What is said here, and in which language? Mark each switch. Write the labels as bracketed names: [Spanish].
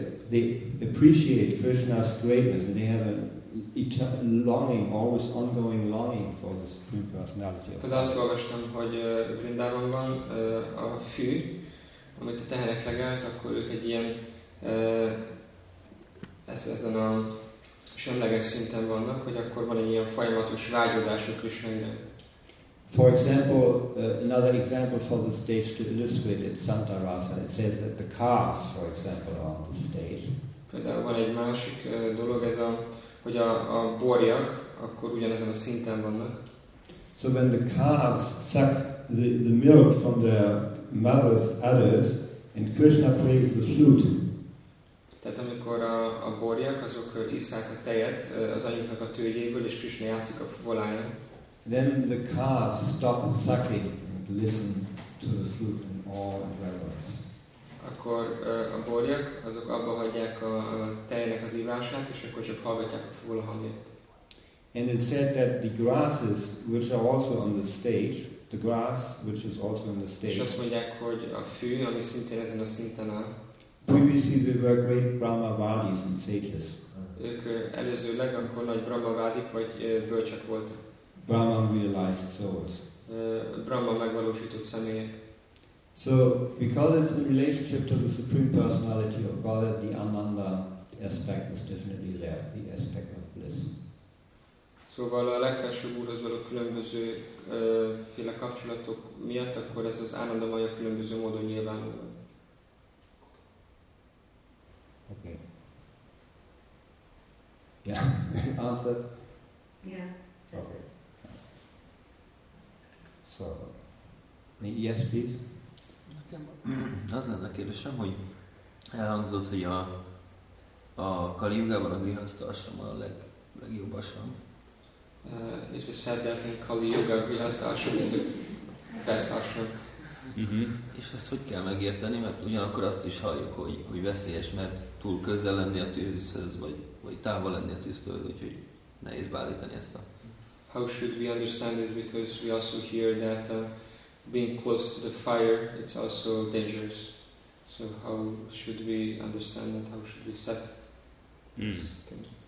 [English] They appreciate Krishna's greatness and they have an ongoing longing for this Supreme Personality. [Hungarian] Azt olvastam, hogy Vrindavanban a fű, amit a teherek legelt, akkor ők egy ilyen ezen a semleges szinten vannak, hogy akkor van egy ilyen folyamatos vágyódás a Krishna iránt. [English] For example, another example for the stage to illustrate it, Santa Rasa, it says that the cars, for example, are on the stage. [Hungarian] Például van egy másik dolog, ez a, hogy a borjak akkor ugyanezen a szinten vannak. [English] So when the calves suck the milk from their mother's udders, and Krishna plays the flute. [Hungarian] Tehát amikor a borjak, azok isszák a tejet az anyuknak a tőgyéből, és Krishna játszik a fuvoláján. [English] Then the calves stop sucking and listen to the flute in all reverence. [Hungarian] Akkor a borjak, azok abba hagyják a tejnek az ivását, és akkor csak hallgatják a fuvola hangját. [English] And it said that the grasses, which are also on the stage, the grass, which is also on the stage. [Hungarian] És azt mondják, hogy a fű, ami szintén ezen a szinten áll. [English] Previously they were great Brahmavadis and sages. [Hungarian] Ők előzőleg akkor nagy Brahmavadik vagy bölcsek voltak. [English] Brahma realized souls. [Hungarian] Brahma megvalósított személyek. [English] So, because it's in relationship to the Supreme Personality of God, the Ananda aspect is definitely there, the aspect of bliss. [Hungarian] Szóval a legfelsőbb úrhoz való különböző féle kapcsolatok miatt, akkor ez az Ananda Maya különböző módon nyilvánul. [English] Okay. Yeah. Answer. Yeah. Okay. So, yes, please. [Hungarian] Nekem az lenne kérdésem, hogy elhangzott, hogy a Kali Yugában a grihasztha ashrama a legjobb ashram. [English] It was said that in Kali Yuga grihasztha ashrama is the best ashram. [Hungarian] És ezt hogy kell megérteni, mert ugyanakkor azt is halljuk, hogy veszélyes, mert túl közel lenni a tűzhöz, vagy távol lenni a tűztől, úgyhogy nehéz beállítani ezt a... [English] How should we understand it? Because we also hear that being close to the fire, it's also dangerous. So how should we understand that? How should we set this thing?